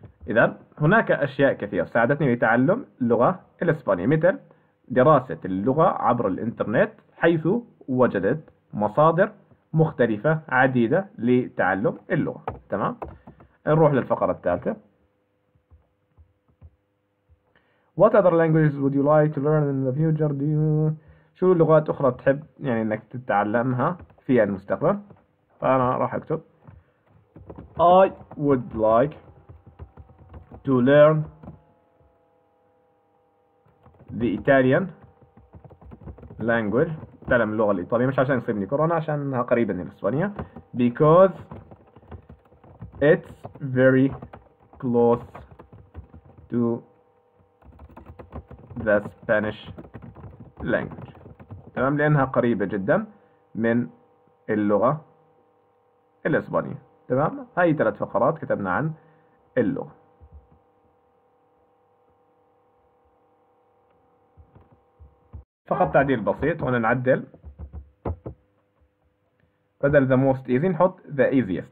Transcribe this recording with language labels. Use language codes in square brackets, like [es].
[ar] إذا هناك أشياء كثيرة ساعدتني لتعلم اللغة الإسبانية، مثل دراسة اللغة عبر الإنترنت حيث وجدت مصادر مختلفة عديدة لتعلم اللغة، تمام؟ نروح للفقرة الثالثة. [en] What other languages would you like to learn in the future? Do you... [ar] شو لغات أخرى تحب يعني إنك تتعلمها في المستقبل؟ فأنا راح أكتب [en] I would like to learn the Italian language. [ar] تعلم اللغة الإيطالية مش عشان يصيبني كورونا، عشانها قريبة من إسبانيا. [en] Because it's very close to the Spanish language. [ar] تمام، لأنها قريبة جدا من اللغة الإسبانية. تمام، هاي ثلاث فقرات كتبنا عن اللغة. فقط تعديل بسيط، هنا نعدل بدل [en] the most easy [ar] نحط [en] the easiest.